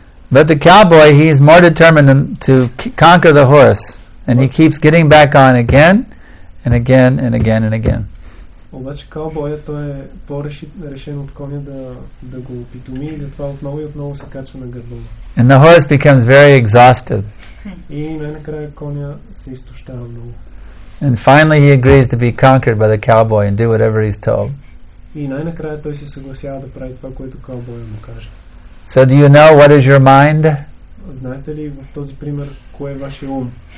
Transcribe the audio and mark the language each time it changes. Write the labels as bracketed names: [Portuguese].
[English] But the cowboy, he's more determined to conquer the horse, and he keeps getting back on again and again and again and again. [Bulgarian] Обаче каубоят той е по-решен от коня да го опитоми и затова отново и отново се качва на гърба. [English] And the horse becomes very exhausted. [Bulgarian] И най-накрая коня се изтощава много. [English] And finally he agrees to be conquered by the cowboy and do whatever he's told. [Bulgarian] И най-накрая той се съгласява да прави това, което каубоят му каже. [English] So do you know what is your mind? [Bulgarian] Знаете ли в този пример кое е вашия ум?